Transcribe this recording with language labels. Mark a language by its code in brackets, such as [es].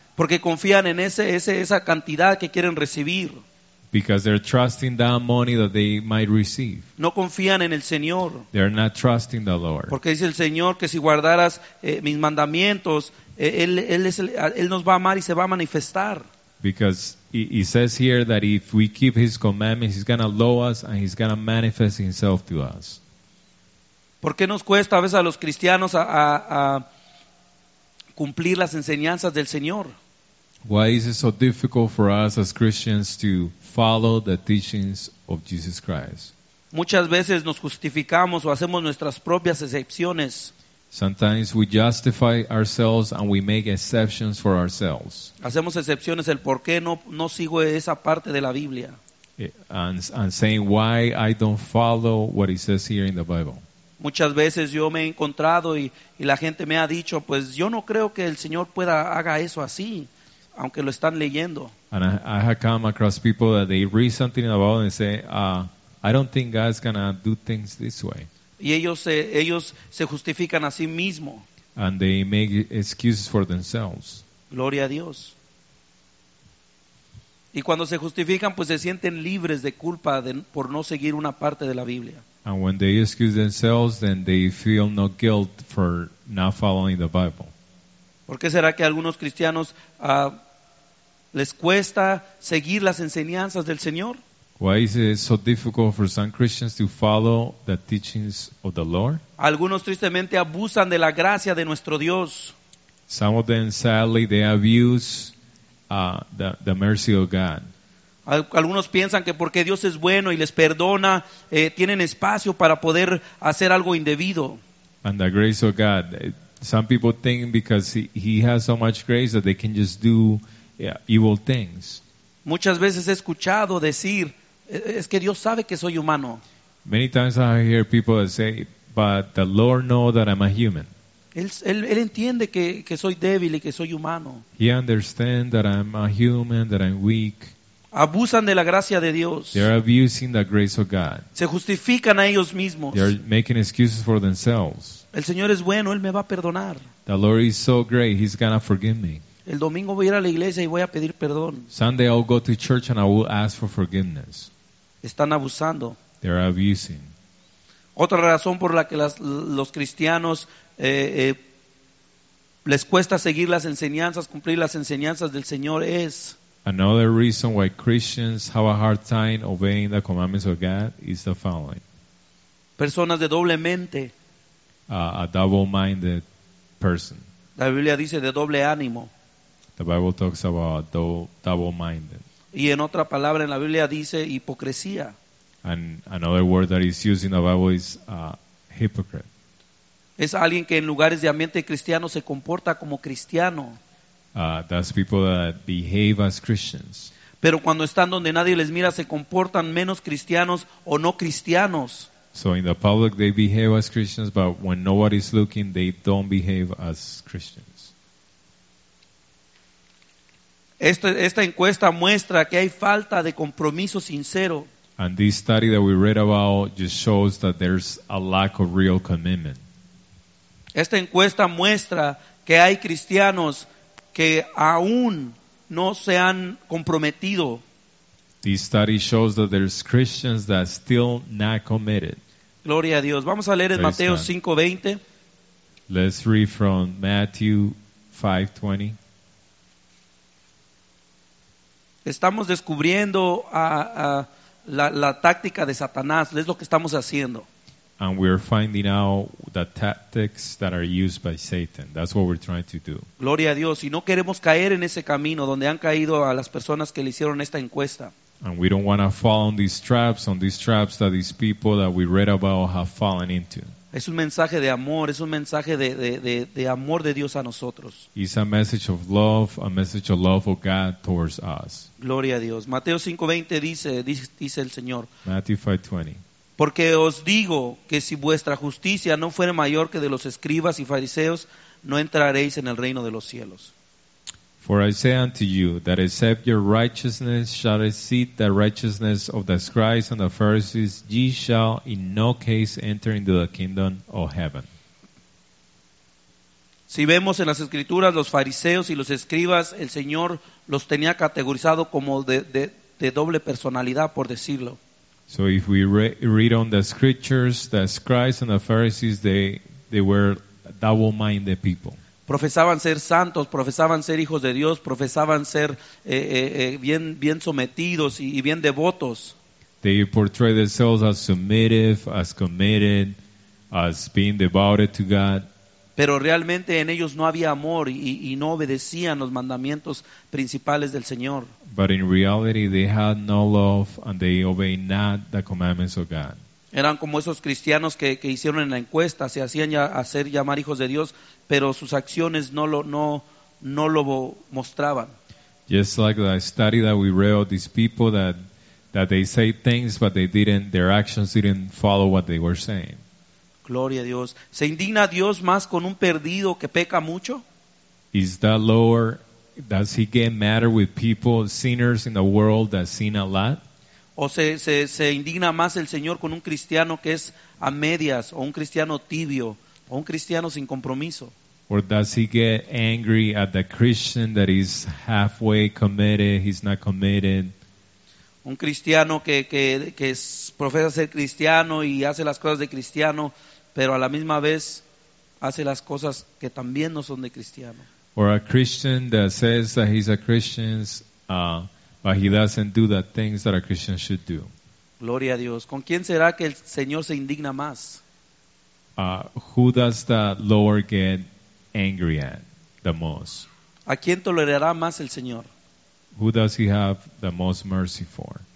[es] Porque confían en esa cantidad que quieren recibir. [en] Because they're trusting that money that they might receive. [es] No confían en el Señor. [en] They're not trusting the Lord. [es] Porque dice el Señor que si guardaras mis mandamientos, él nos va a amar y se va a manifestar. [en] Because he says here that if we keep his commandments, he's gonna love us and he's gonna manifest himself to us. [es] ¿Por qué nos cuesta a veces a los cristianos a cumplir las enseñanzas del Señor? [en] Why is it so difficult for us as Christians to follow the teachings of Jesus Christ? [es] Muchas veces nos justificamos o hacemos nuestras propias excepciones. [en] Sometimes we justify ourselves and we make exceptions for ourselves. [es] Hacemos excepciones el por qué no sigo esa parte de la Biblia. [en] And saying why I don't follow what it says here in the Bible. [es] Muchas veces yo me he encontrado y la gente me ha dicho, pues yo no creo que el Señor pueda haga eso así, aunque lo están leyendo. [en] And I have come across people that they read something in the Bible and say, I don't think God's gonna do things this way. [es] Y ellos se justifican a sí mismo. [en] And they make excuses for themselves. [es] Gloria a Dios. Y cuando se justifican, pues se sienten libres de culpa por no seguir una parte de la Biblia. [en] And when they excuse themselves, then they feel no guilt for not following the Bible. [es] ¿Por qué será que a algunos cristianos les cuesta seguir las enseñanzas del Señor? [en] Why is it so difficult for some Christians to follow the teachings of the Lord? [es] Algunos tristemente abusan de la gracia de nuestro Dios. [en] Some of them, sadly, they abuse the mercy of God. [es] Algunos piensan que porque Dios es bueno y les perdona, tienen espacio para poder hacer algo indebido. [en] And the grace of God. Some people think because he has so much grace that they can just do evil things. [es] Muchas veces he escuchado decir, es que Dios sabe que soy humano. [en] Many times I hear people that say, but the Lord know that I'm a human. [es] Él entiende que soy débil y que soy humano. [en] He understands that I'm a human, that I'm weak. [es] Abusan de la gracia de Dios. [en] They're abusing the grace of God. [es] Se justifican a ellos mismos. [en] They're making excuses for themselves. [es] El Señor es bueno, Él me va a perdonar. [en] The Lord is so great, He's gonna forgive me. [es] El domingo voy a ir a la iglesia y voy a pedir perdón. [en] Sunday I'll go to church and I will ask for forgiveness. [es] Están abusando. [en] They're abusing. [es] Otra razón por la que los cristianos les cuesta seguir las enseñanzas, cumplir las enseñanzas del Señor es. [en] Another reason why Christians have a hard time obeying the commandments of God is the following. [es] Personas de doble mente. [en] A double-minded person. [es] La Biblia dice de doble ánimo. [en] The Bible talks about double-minded. [es] Y en otra palabra en la Biblia dice hipocresía. [en] And another word that is used in the Bible is hypocrite. [es] Es alguien que en lugares de ambiente cristiano se comporta como cristiano. [en] That's people that behave as Christians. [es] Pero cuando están donde nadie les mira se comportan menos cristianos o no cristianos. [en] So in the public they behave as Christians, but when nobody's looking they don't behave as Christians. [es] Esta encuesta muestra que hay falta de compromiso sincero. [en] And this study that we read about just shows that there's a lack of real commitment. [es] Esta encuesta muestra que hay cristianos que aún no se han comprometido. [en] This study shows that there's Christians that are still not committed. [es] Gloria a Dios. Vamos a leer en Mateo 5:20. [en] Let's read from Matthew 5:20. [es] Estamos descubriendo la táctica de Satanás. Es lo que estamos haciendo. [en] And we're finding out the tactics that are used by Satan. That's what we're trying to do. [es] Gloria a Dios. Y no queremos caer en ese camino donde han caído a las personas que le hicieron esta encuesta. [en] And we don't want to fall on these traps that these people that we read about have fallen into. [es] Es un mensaje de amor, es un mensaje de amor de Dios a nosotros. [en] It's a message of love, a message of love of God towards us. [es] Gloria a Dios. Mateo 5:20 dice el Señor. [en] Matthew 5:20. [es] Porque os digo que si vuestra justicia no fuere mayor que de los escribas y fariseos, no entraréis en el reino de los cielos. [en] For I say unto you, that except your righteousness shall exceed the righteousness of the scribes and the Pharisees, ye shall in no case enter into the kingdom of heaven. [es] Si vemos en las escrituras, los fariseos y los escribas, el Señor los tenía categorizado como de doble personalidad, por decirlo. [en] So if we read on the scriptures, the scribes and the Pharisees, they were double-minded people. [es] Profesaban ser santos, profesaban ser hijos de Dios, profesaban ser bien sometidos y bien devotos. [en] They portrayed themselves as submissive, as committed, as being devoted to God. [es] Pero realmente en ellos no había amor y no obedecían los mandamientos principales del Señor. [en] But in reality they had no love and they obeyed not the commandments of God. [es] Eran como esos cristianos que hicieron en la encuesta, se hacían hacer llamar hijos de Dios, pero sus acciones no lo mostraban. [en] Just like the study that we read of these people that they say things but they didn't, their actions didn't follow what they were saying. [es] Gloria a Dios. ¿Se indigna Dios más con un perdido que peca mucho? [en] Is the Lord, does he get madder with people, sinners in the world that sin a lot? [es] ¿O se indigna más el Señor con un cristiano que es a medias, o un cristiano tibio, o un cristiano sin compromiso? [en] Or does he get angry at the Christian that is halfway committed, he's not committed? [es] Un cristiano que profesa ser cristiano y hace las cosas de cristiano, pero a la misma vez hace las cosas que también no son de cristiano. [en] Or a Christian that says that he's a Christian, but he doesn't do the things that a Christian should do. [es] Gloria a Dios. ¿Con quién será que el Señor se indigna más? [en] Who does the Lord get angry at the most? [es] ¿A quién tolerará más el Señor? [en] Who does he have the most mercy for?